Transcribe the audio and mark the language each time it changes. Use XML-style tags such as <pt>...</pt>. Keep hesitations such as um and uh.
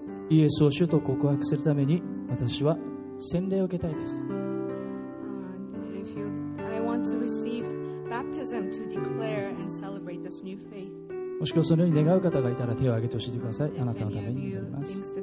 <ja>イエスを主と告白するために私は洗礼を受けたいです。</ja> <en>Uh, you, I want to receive baptism to declare and celebrate this new faith.</en> <ja>もしくはそのように願う方がいたら手を挙げて教えてください。あなたのために祈ります。</ja>